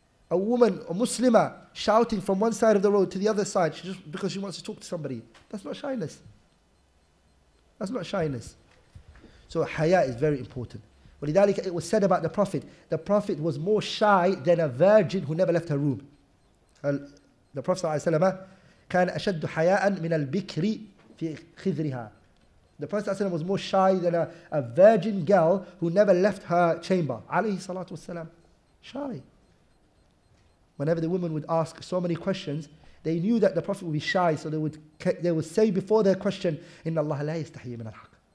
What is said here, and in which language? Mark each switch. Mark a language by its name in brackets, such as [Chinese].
[English] A woman, a Muslimah, shouting from one side of the road to the other side just because she wants to talk to somebody. That's not shyness. That's not shyness. So haya is very important. وَلِذَلِكَ it was said about the Prophet. The Prophet was more shy than a virgin who never left her room. The Prophet [Arabic] ﷺ كان أشد حياء من البكر في خذرها. [English] The Prophet ﷺ was more shy than a virgin girl who never left her chamber. [Arabic] عليه الصلاة والسلام. Shy. [English] Whenever the women would ask so many questions, they knew that the Prophet would be shy, so they would say before their question, [Arabic] إِنَّ اللَّهَ لَا يَسْتَحِيَ مِنَ الْحَقِّ.